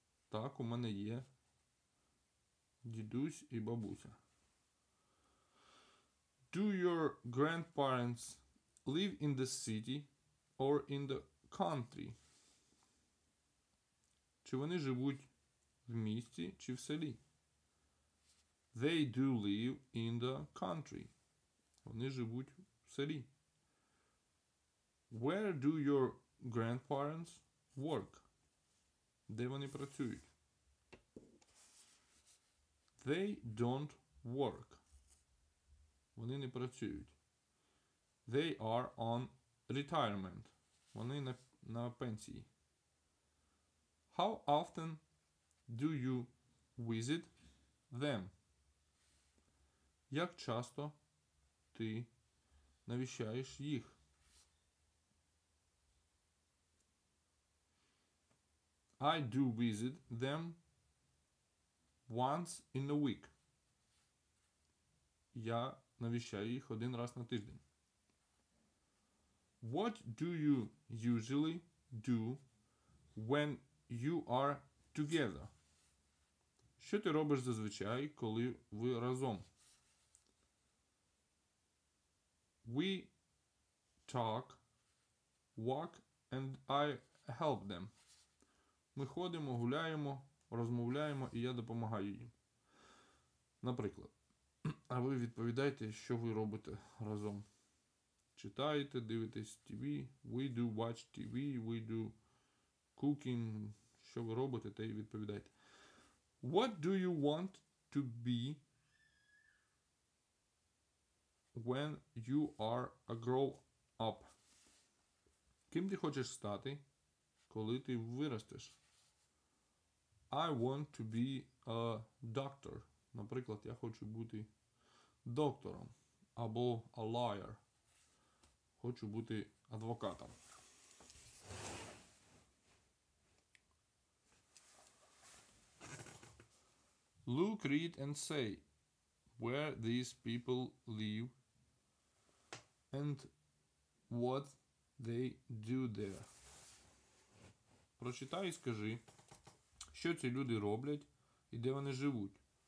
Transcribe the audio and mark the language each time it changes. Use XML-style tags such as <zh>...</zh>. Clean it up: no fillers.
<uk>Так, у мене є дідусь і бабуся.</uk> <en>Do your grandparents live in the city or in the country?</en> <uk>Чи вони живуть в місті чи в селі?</uk> <en>They do live in the country.</en> <uk>Вони живуть в селі.</uk> <en>Where do your grandparents work?</en> <uk>Де вони працюють?</uk> <en>They don't work.</en> <uk>Вони не працюють.</uk> <en>They are on retirement.</en> <uk>Вони на пенсії.</uk> <en>How often do you visit them?</en> <uk>Як часто ти навіщаєш їх?</uk> <en>I do visit them once in a week.</en> <uk>Я навіщаю їх один раз на тиждень.</uk> <en>What do you usually do when you are together?</en> <uk>Що ти робиш зазвичай, коли ви разом?</uk> <en>We talk, walk, and I help them.</en> <uk>Ми ходимо, гуляємо, розмовляємо, і я допомагаю їм. Наприклад. А ви відповідаєте, що ви робите разом. Читаєте, дивитесь TV.</uk> <en>We do watch TV, we do cooking.</en> <uk>Що ви робите, те і відповідаєте.</uk> <en>What do you want to be when you are a grow up?</en> <uk>Ким ти хочеш стати, коли ти виростеш?</uk> <en>I want to be a doctor.</en> <uk>Наприклад, я хочу бути доктором або</uk> <en>a lawyer.</en> <uk>Хочу бути адвокатом.</uk> <en>Look, read and say where these people live and what they do there.</en> <uk>Прочитай і скажи, що ці люди роблять і де вони живуть.</uk>